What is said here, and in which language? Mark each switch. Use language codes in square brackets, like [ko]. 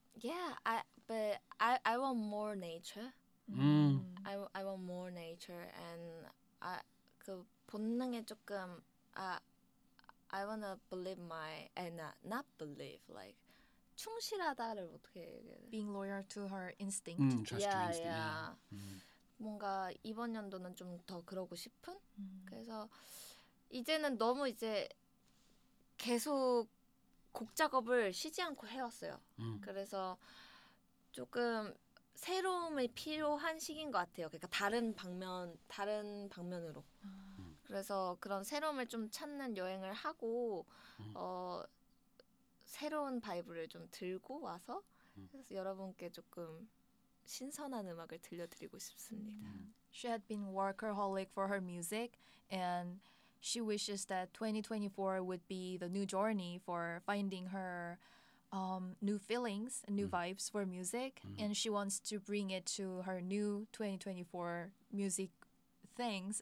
[en] Yeah, I want more nature. I want more nature and I want to believe my and not believe like 충실하다를 어떻게 얘기해? Being loyal to her instinct. Trust your instinct. [ko] 뭔가 이번 연도는 좀 더 그러고 싶은. 그래서 이제는 너무 이제 계속 곡 작업을 쉬지 않고 해왔어요. 그래서 조금 새로움이 필요한 시기인 것 같아요. 그러니까 다른 방면으로. 그래서 그런 새로움을 좀 찾는 여행을 하고 새로운 바이브를 좀 들고 와서 그래서 여러분께 조금 신선한 음악을 들려드리고 싶습니다. [en] She had been workaholic for her music and she wishes that 2024 would be the new journey for finding her new feelings, new vibes for music. And she wants to bring it to her new 2024 music things.